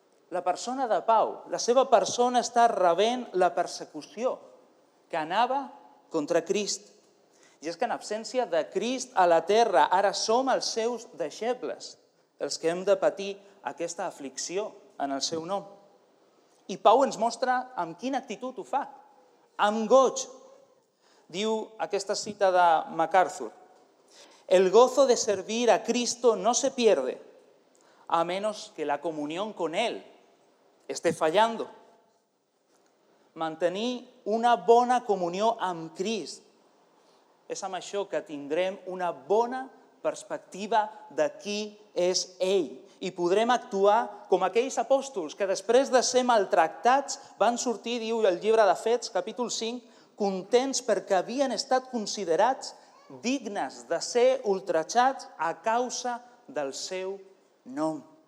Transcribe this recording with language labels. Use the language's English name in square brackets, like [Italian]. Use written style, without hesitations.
[Catalan] La persona de Pau, la seva persona està rebent la persecució que anava contra Crist. I és que en absència de Crist a la terra, ara som els seus deixebles, els que hem de patir aquesta aflicció en el seu nom. I Pau ens mostra amb quina actitud ho fa, amb goig. Diu aquesta cita de MacArthur, [Spanish] el gozo de servir a Cristo no se pierde a menos que la comunión con Él esté fallando. [Catalan] Mantenir una bona comunió amb Crist és amb això que tindrem una bona perspectiva de qui és ell i podrem actuar com aquells apòstols que després de ser maltractats van sortir, diu el llibre de Fets, capítol 5, contents perquè havien estat considerats dignes de ser ultratjats a causa del seu nom.